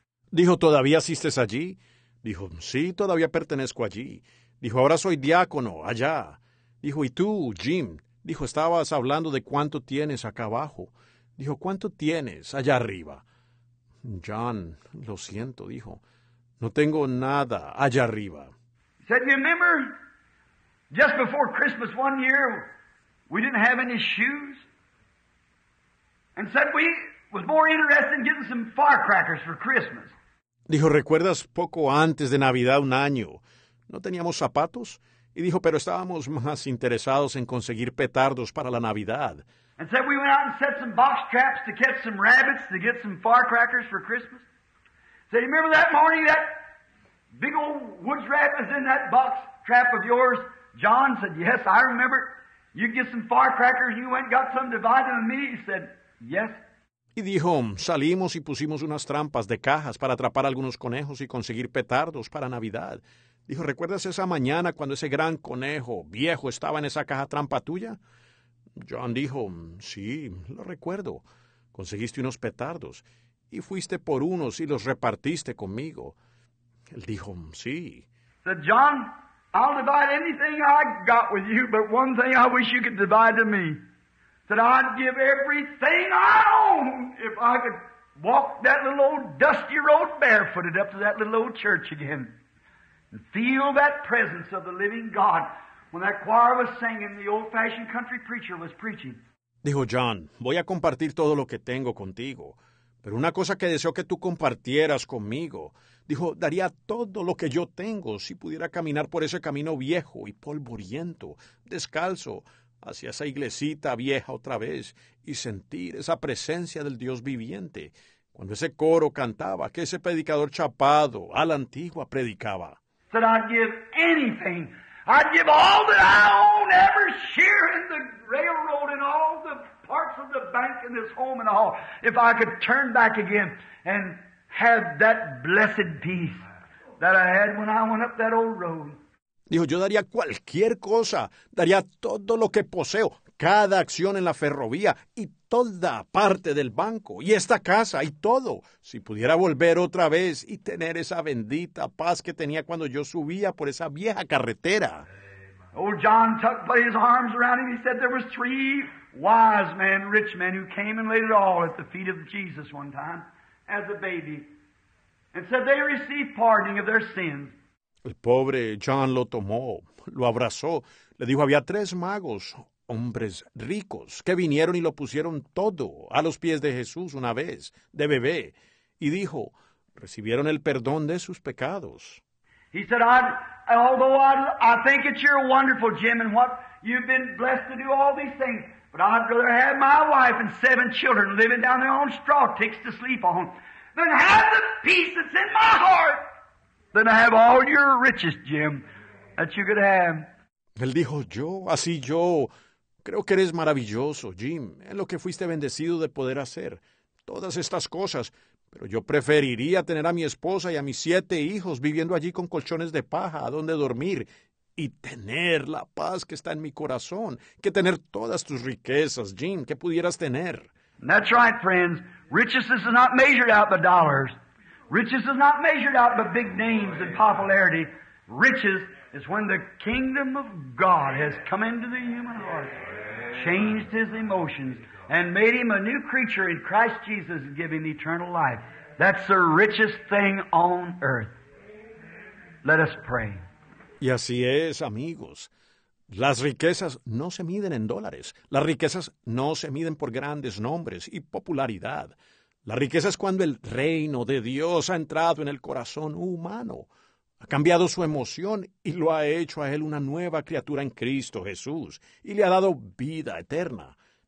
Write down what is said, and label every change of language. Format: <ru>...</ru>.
<es>Dijo, "¿Todavía asistes allí?" Dijo, "Sí, todavía pertenezco allí." Dijo, "Ahora soy diácono allá." Dijo, "¿Y tú, Jim?" Dijo, "Estabas hablando de cuánto tienes acá abajo." Dijo, "¿Cuánto tienes allá arriba?" "John, lo siento," dijo. "No tengo nada allá arriba."</es> <en>Said, "You remember just before Christmas one year we didn't have any shoes? And said we was more interested in getting some firecrackers for Christmas."</en> <es>Dijo, "¿Recuerdas poco antes de Navidad un año no teníamos zapatos?" Y dijo, "Pero estábamos más interesados en conseguir petardos para la Navidad."</es> <en>"And said we went out and set some box traps to catch some rabbits to get some firecrackers for Christmas. Said, you remember that morning that big old woods rat was in that box trap of yours?" John said, "Yes, I remember. You get some firecrackers, you went and got some, divided them with me." He said, "Yes."</en> <es>Y dijo, "Salimos y pusimos unas trampas de cajas para atrapar algunos conejos y conseguir petardos para Navidad." Dijo, "¿Recuerdas esa mañana cuando ese gran conejo viejo estaba en esa caja trampa tuya?" John dijo, "Sí, lo recuerdo. Conseguiste unos petardos y fuiste por unos y los repartiste conmigo." Él dijo, "Sí."</es> <en>Said, "John, I'll divide anything I got with you, but one thing I wish you could divide to me. Said, I'd give everything I own if I could walk that little old dusty road barefooted up to that little old church again and feel that presence of the living God when that choir was singing, the old-fashioned country preacher was preaching."</en> <es>Dijo, "John, voy a compartir todo lo que tengo contigo, pero una cosa que deseo que tú compartieras conmigo." Dijo, "Daría todo lo que yo tengo si pudiera caminar por ese camino viejo y polvoriento, descalzo, hacia esa iglesita vieja otra vez y sentir esa presencia del Dios viviente, cuando ese coro cantaba, que ese predicador chapado a la antigua predicaba."</es> <en>"Said, I'd give anything. I'd give all that I own, every share in the railroad and all the parts of the bank in this home and all, if I could turn back again and have that blessed peace that I had when I went up that old road."</en> <es>Dijo, "Yo daría cualquier cosa, daría todo lo que poseo, cada acción en la ferrovía y toda parte del banco y esta casa y todo, si pudiera volver otra vez y tener esa bendita paz que tenía cuando yo subía por esa vieja carretera."</es> <en>Old John Tuck put his arms around him. He said there was three wise men, rich men, who came and laid it all at the feet of Jesus one time as a baby and said they received pardoning of their sins.</en> <es>El pobre John lo tomó, lo abrazó, le dijo había tres magos, hombres ricos, que vinieron y lo pusieron todo a los pies de Jesús una vez, de bebé, y dijo, recibieron el perdón de sus pecados.</es> <en>He said, although I think it's your wonderful, Jim, and what you've been blessed to do all these things, but I'd rather have my wife and seven children living down there on straw ticks to sleep on than have the peace that's in my heart. Then I have all your riches, Jim, that you could have.</en> <es>Él dijo, yo, creo que eres maravilloso, Jim, en lo que fuiste bendecido de poder hacer todas estas cosas, pero yo preferiría tener a mi esposa y a mis siete hijos viviendo allí con colchones de paja a donde dormir y tener la paz que está en mi corazón que tener todas tus riquezas, Jim, que pudieras tener.</es> <en>That's right, friends. Riches is not measured out by dollars. Riches is not measured out by big names and popularity. Riches is when the kingdom of God has come into the human heart, changed his emotions, and made him a new creature in Christ Jesus and given eternal life. That's the richest thing on earth. Let us pray.</en> <es>Y así es, amigos. Las riquezas no se miden en dólares. Las riquezas no se miden por grandes nombres y popularidad. La riqueza es cuando el reino de Dios ha entrado en el corazón humano, ha cambiado su emoción y lo ha hecho a él una nueva criatura en Cristo Jesús y le ha dado vida eterna.</es>